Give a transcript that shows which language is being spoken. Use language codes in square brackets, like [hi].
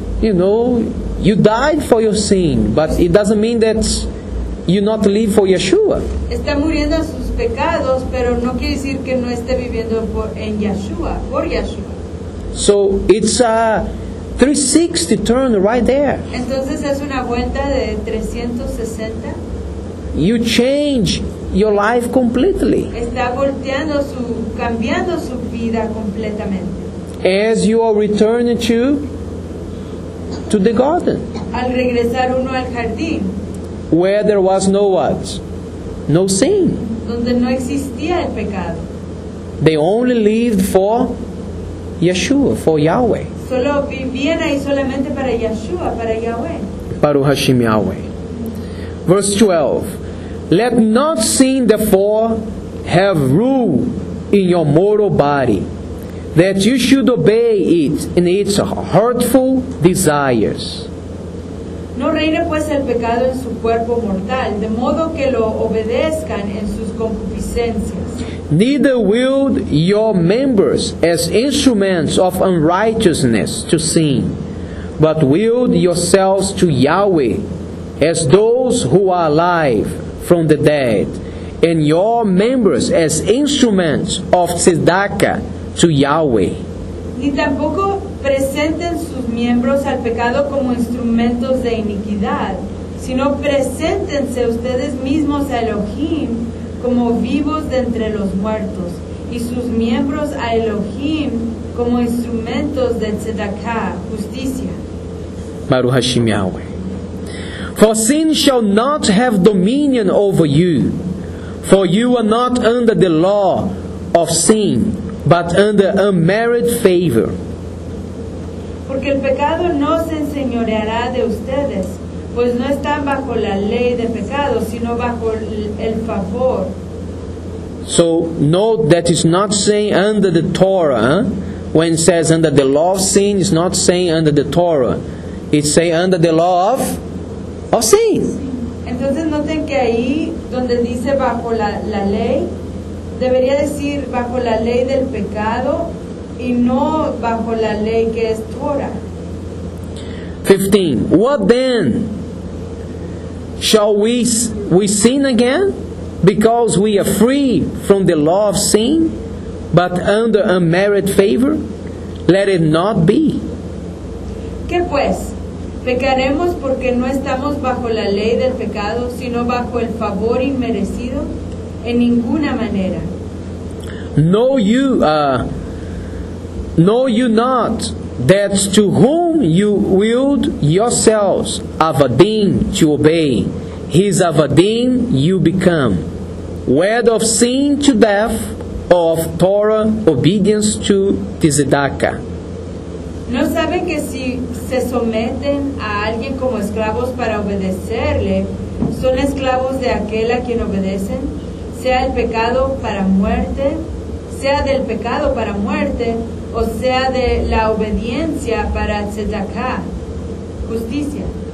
[en] You know, you died for your sin, but it doesn't mean that you not live for Yeshua. [es] Está muriendo a sus pecados, pero no quiere decir que no esté viviendo por Yeshua. [en] So it's a 360 turn right there. [es] Entonces es una vuelta de 360. [en] You change your life completely. [es] Está cambiando su vida completamente. [en] As you are returning to the garden. [es] Al regresar uno al jardín. [en] Where there was no what? No sin. [es] Donde no existía el pecado. [en] They only lived for Yeshua, for Yahweh. [es] Solo vivían ahí solamente para Yeshua, para Yahweh. [he] Baruch Hashem Yahweh. [en] Verse 12. Let not sin therefore have rule in your mortal body, that you should obey it in its hurtful desires. [es] No reine pues el pecado en su cuerpo mortal, de modo que lo obedezcan en sus concupiscencias. [en] Neither wield your members as instruments of unrighteousness to sin, but wield yourselves to Yahweh as those who are alive from the dead, and your members as instruments of tzedakah to Yahweh. [es] Ni tampoco presenten sus miembros al pecado como instrumentos de iniquidad, sino preséntense ustedes mismos a Elohim como vivos de entre los muertos, y sus miembros a Elohim como instrumentos de tzedakah, justicia. [he] Baruch Hashem Yahweh. [en] For sin shall not have dominion over you, for you are not under the law of sin, but under unmerited favor. [es] Porque el pecado no se enseñoreará de ustedes, pues no están bajo la ley de pecado, sino bajo el favor. [en] So note that it's not saying under the Torah, huh? When it says under the law of sin, it's not saying under the Torah. It's saying under the law of sin. [es] Entonces noten que ahí donde dice bajo la ley, debería decir bajo la ley del pecado y no bajo la ley que es Torah. [en] 15. What then? Shall we sin again? Because we are free from the law of sin, but under unmerited favor? Let it not be. [es] ¿Qué pues? ¿Pecaremos porque no estamos bajo la ley del pecado, sino bajo el favor inmerecido? En ninguna manera. [en] Know you not that to whom you willed yourselves avadim to obey, his avadim you become, whether of sin to death, or of Torah obedience to tzedakah. [es] ¿No saben que si se someten a alguien como esclavos para obedecerle, son esclavos de aquel a quien obedecen, sea el pecado para muerte, sea del pecado para muerte, o sea de la obediencia para tzedakah, justicia?